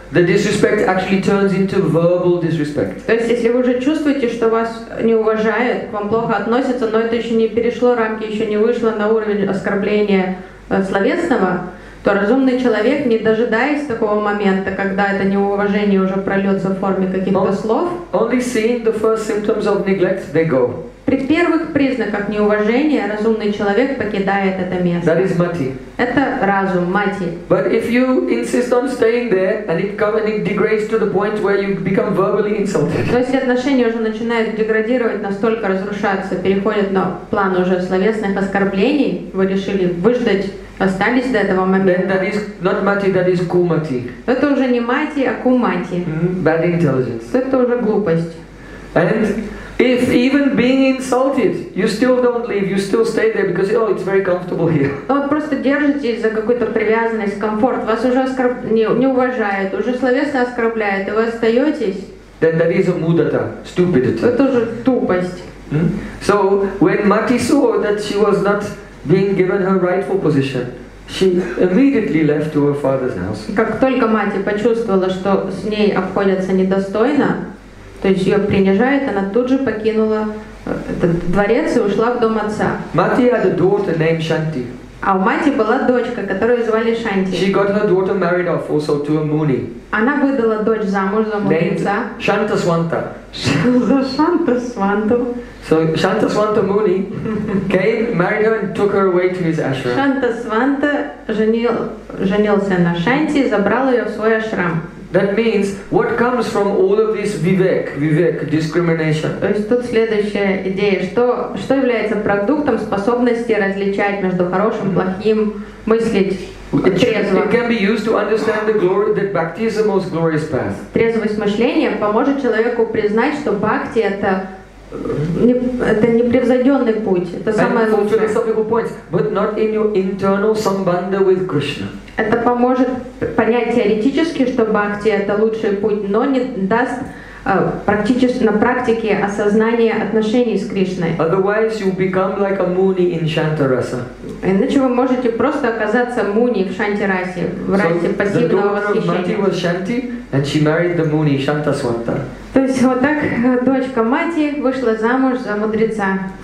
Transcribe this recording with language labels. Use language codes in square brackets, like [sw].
[en] The disrespect actually turns into verbal disrespect. [ru] То есть если вы уже чувствуете, что вас не уважают, к вам плохо относятся, но это еще не перешло рамки, еще не вышло на уровень оскорбления словесного, то разумный человек, не дожидаясь такого момента, когда это неуважение уже прольется в форме каких-то слов, [en] only seeing the first symptoms of neglect, they go. [ru] При первых признаках неуважения разумный человек покидает это место. [en] That is mati. [ru] Это разум, мати. [en] But if you insist on staying there and it comes and it degrades to the point where you become verbally insulted. [ru] То есть отношения уже начинают деградировать, настолько разрушаться, переходят на план уже словесных оскорблений, вы решили выждать, остались до этого момента. [en] That is not mati, that is kumati. [ru] Это уже не мати, а кумати. [en] Bad intelligence. [ru] Это уже глупость. [en] And if even being insulted, you still don't leave, you still stay there because oh, it's very comfortable here. [ru] Ну вот просто держитесь за какую-то привязанность, комфорт. Вас уже не уважают, уже словесно оскорбляют, и вы остаетесь. [en] Then that is a mudata, stupidity. [ru] Это уже тупость. Mm-hmm. [en] So when Mati saw that she was not being given her rightful position, she immediately left to her father's house. [ru] Как только Мати почувствовала, что с ней обходятся недостойно. То есть ее принижает, она тут же покинула этот дворец и ушла в дом отца. [en] Mati had a daughter named Shanti. [ru] А у Мати была дочка, которую звали Шанти. [en] She got her daughter married off also to a Muni. [ru] Она выдала дочь замуж за мудреца. Шантасванта. Шантасванту. [en] So Шантасванта Муни came, married her and took her away to his ashram. [ru] Шантасванта женился на Шанти и забрал ее в свой ашрам. [en] That means what comes from all of this vivek, discrimination. [ru] То есть тут следующая идея, что является продуктом способности различать между хорошим, плохим, мыслить трезво. [en] It can be used to understand the glory that bhakti is the most glorious path. [ru] Трезвость мышления поможет человеку признать, что бхакти это непревзойденный путь, это самое лучшее. [en] But not in your internal sambandha with Krishna. [ru] Это поможет понять теоретически, что бхакти это лучший путь, но не даст практически на практике осознание отношений с Кришной. [en] Otherwise you become like a muni in Shantarasa. [ru] Иначе вы можете просто оказаться муни в Шантарасе, в расе пассивного восхищения. [en] So the daughter of Mati was Shanti, and she married the muni Shantaswanta. [ru] То есть вот так дочка Мати вышла замуж за мудреца.